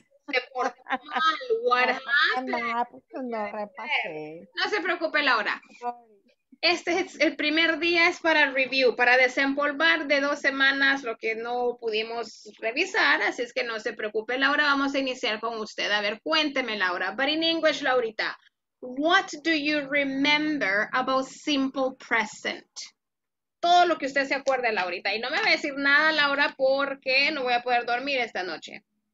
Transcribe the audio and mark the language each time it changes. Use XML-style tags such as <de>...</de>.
<es>Se portó mal. No, no se preocupe, Laura. Este es el primer día, es para review, para desempolvar de 2 semanas lo que no pudimos revisar, así es que no se preocupe, Laura, vamos a iniciar con usted. A ver, cuénteme,</es> <en>Laura, but in English, Laurita, what do you remember about simple present?</en> <es>Todo lo que usted se acuerde, Laurita, y no me va a decir nada, Laura, porque no voy a poder dormir esta noche.</es>